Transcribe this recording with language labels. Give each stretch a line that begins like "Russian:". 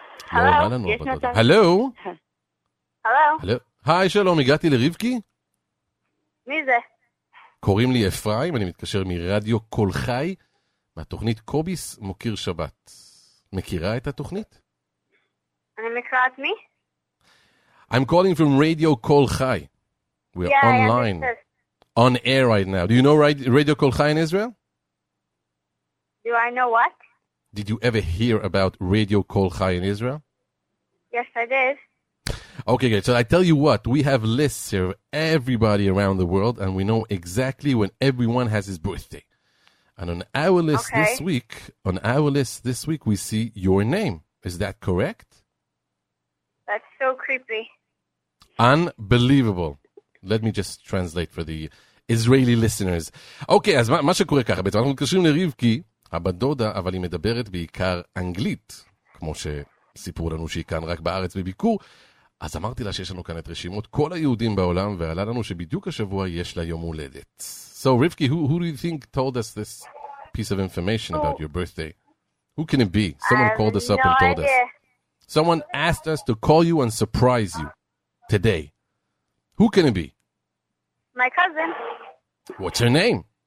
Hebrew: הלו, יש נתן. הלו. הלו. היי, שלום, הגעתי לרבקי? מי זה? קוראים לי אפרים, אני מתקשר מרדיו קול חי, מהתוכנית קוביס מוקיר שבת. מכירה את התוכנית? אני מכירה את מי?
English: I'm calling from radio קול חי. We are online. On air right now. Do you know radio קול חי in Israel? No. Do I know what? Did you ever hear about Radio Kol Chai in Israel? Yes, I did. Okay, great. So I tell you what, we have lists here of everybody around the world, and we know exactly when everyone has his birthday. And on our list this week, we see your name. Is that correct? That's so creepy. Unbelievable. Let me just translate for the Israeli listeners.
Hebrew: Okay, אז מה שקורה ככה, בעצם אנחנו מתקשרים לרבקי, הבת דודה, אבל היא מדברת בעיקר אנגלית, כמו שסיפרו לנו שהיא כאן רק בארץ בביקור. אז אמרתי לה שיש לנו כאן את רשימות כל היהודים בעולם, ועלה לנו שבדיוק השבוע יש לה יום הולדת.
English: So, Rivki, who do you think told us this piece of information about your birthday? Who can it be? Someone called us up and told us. Someone asked us to call you and surprise you today. Who can it be? My cousin. What's her name?